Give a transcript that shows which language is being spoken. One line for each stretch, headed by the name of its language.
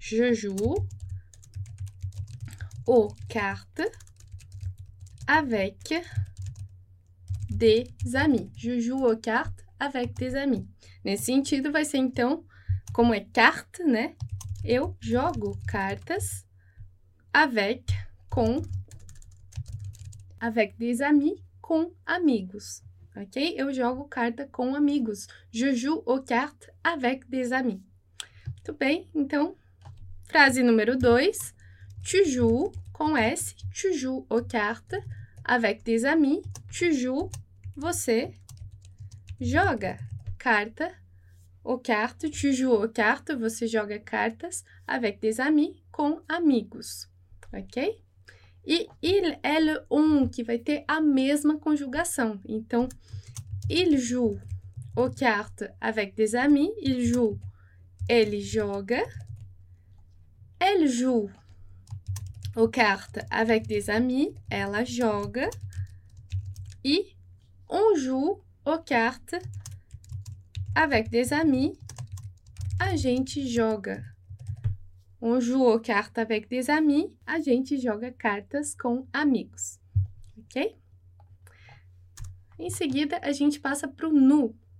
French: Je joue aux cartes avec des amis. Je joue aux cartes avec des amis.
Portuguese: Nesse sentido, vai ser, então, como é carte, né? Eu jogo cartas
French: avec des amis,
Portuguese: com amigos, ok? Eu jogo carta com amigos.
French: Je joue aux cartes avec des amis.
Portuguese: Muito bem, então, frase número 2.
French: Tu joues,
Portuguese: com S,
French: tu joues aux cartes avec des amis. Tu joues,
Portuguese: você joga carta ou carta.
French: Tu joues aux cartes,
Portuguese: você joga cartas
French: avec des amis,
Portuguese: com amigos, ok? E il, elle, on, que vai ter a mesma conjugação.
French: Então, il joue aux cartes avec des amis. Il joue,
Portuguese: ele joga.
French: Elle joue aux cartes avec des amis.
Portuguese: Ela joga.
French: E on joue aux cartes avec des amis.
Portuguese: A gente joga.
French: On joue aux cartes avec des amis.
Portuguese: A gente joga cartas com amigos. Ok? Em seguida, a gente passa para o nous.